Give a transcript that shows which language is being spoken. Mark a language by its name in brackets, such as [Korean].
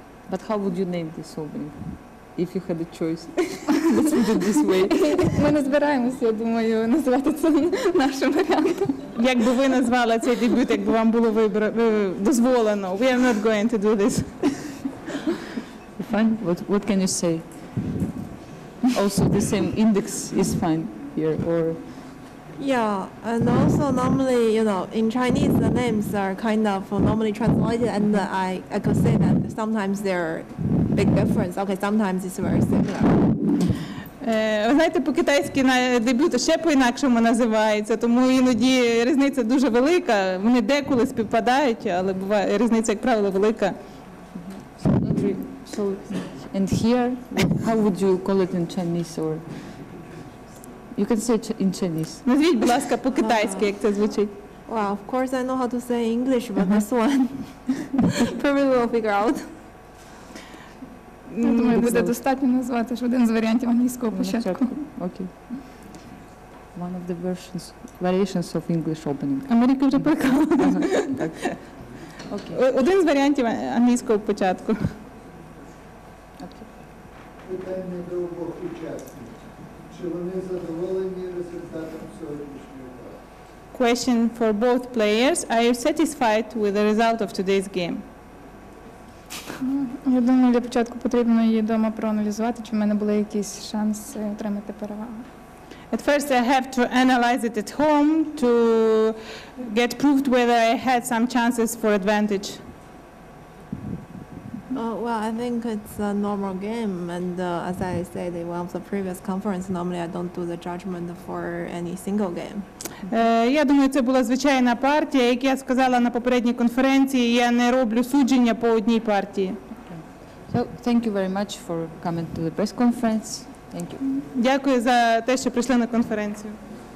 [English] But how would you name this opening, if you had a choice? Let's put it this way. [Ukrainian] Ми не збираємося, я думаю, назвати це нашим варіантом. Як би ви назвали цей дебют, якби вам було дозволено? [English] We are not going to do this. Fine. What can you say? Also, the same index is fine here, or? Yeah, and also normally, you know, in Chinese, the names are kind of normally translated, and I could say that sometimes there are big differences. Okay, sometimes it's very similar. [Ukrainian] Ви знаєте, по-китайськи дебют ще по-інакшому називається, тому іноді різниця дуже велика. Вони деколи співпадають, але буває різниця, як правило, велика. [English] So, and here, how would you call it in Chinese? Or you can say in Chinese. [Ukrainian] Назвіть, будь ласка, по-китайськи, як це звучить. [English] Well, of course, I know how to say English, but this one probably will figure out. [Ukrainian] Я думаю, буде достатньо назвати ж один з варіантів англійського початку. Окей. [English] One of the versions, variations of English opening. [Ukrainian] Америка вже поїхала. Так. Один з варіантів англійського початку. Питання до обох учасників. Чи вони задоволені результатом сьогоднішнього? [English] Question for both players. Are you satisfied with the result of today's game? [Ukrainian] Я думаю, для початку потрібно її вдома проаналізувати, чи в мене були якісь шанси отримати перевагу. [English] At first I have to analyze it at home to get proved whether I had some chances for advantage. Well, I think it's a normal game, and as I said in one of the previous conference, normally I don't do the judgment for any single game. [Ukrainian] Я думаю, це була звичайна партія. Як я сказала на попередній конференції, я не роблю судження по одній партії. [English] So, thank you very much for coming to the press conference. Thank you. [Ukrainian] Дякую за те, що прийшли на конференцію.